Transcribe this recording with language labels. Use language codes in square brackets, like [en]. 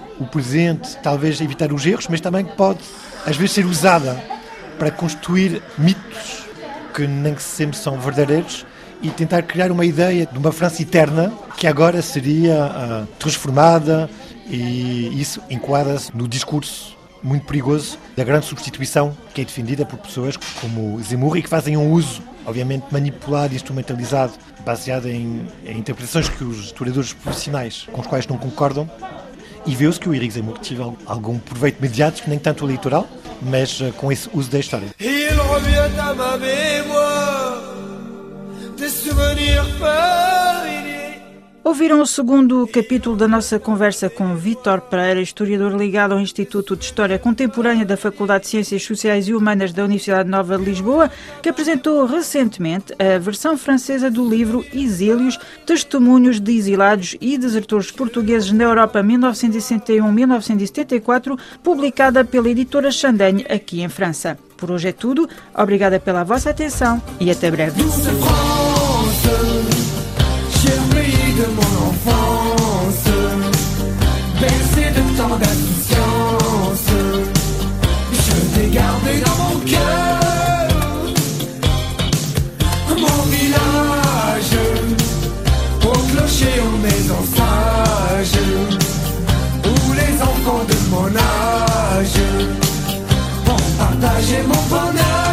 [pt] o presente, talvez evitar os erros, mas também que pode, às vezes, ser usada para construir mitos que nem sempre são verdadeiros e tentar criar uma ideia de uma França eterna que agora seria transformada, e isso enquadra-se no discurso muito perigoso da grande substituição que é defendida por pessoas como Zemmour e que fazem um uso, obviamente, manipulado e instrumentalizado, baseado em interpretações que os historiadores profissionais com os quais não concordam. E vê-se que o Eric Zemmour tive algum proveito mediático, nem tanto eleitoral, mas com esse uso da história. [fr] Il revient à ma mémoire, des souvenirs familiers. [pt] Ouviram o segundo capítulo da nossa conversa com Vítor Pereira, historiador ligado ao Instituto de História Contemporânea da Faculdade de Ciências Sociais e Humanas da Universidade Nova de Lisboa, que apresentou recentemente a versão francesa do livro Exílios, Testemunhos de Exilados e Desertores Portugueses na Europa 1961-1974, publicada pela editora Chandaigne aqui em França. Por hoje é tudo, obrigada pela vossa atenção e até breve. [fr] De mon enfance, bercé de tant d'insouciance, je t'ai gardé dans mon cœur. Mon village, aux clochers, aux maisons sages, où les enfants de mon âge vont partager mon bonheur.